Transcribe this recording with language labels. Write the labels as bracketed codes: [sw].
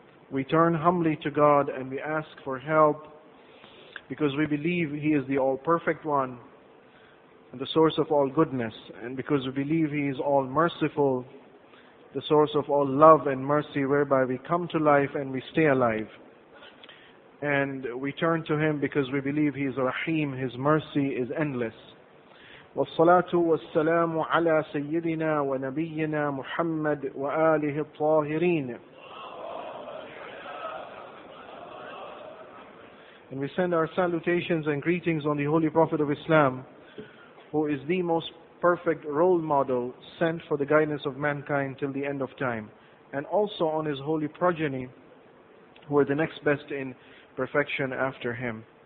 [en] We turn humbly to God and we ask for help because we believe He is the all-perfect one and the source of all goodness. And because we believe He is all-merciful, the source of all love and mercy whereby we come to life and we stay alive. And we turn to Him because we believe He is Rahim, His mercy is endless. [ar] والصلاة والسلام على سيدنا ونبينا محمد وآله الطاهرين. [en] And we send our salutations and greetings on the Holy Prophet of Islam, who is the most perfect role model sent for the guidance of mankind till the end of time, and also on his holy progeny, who are the next best in perfection after him.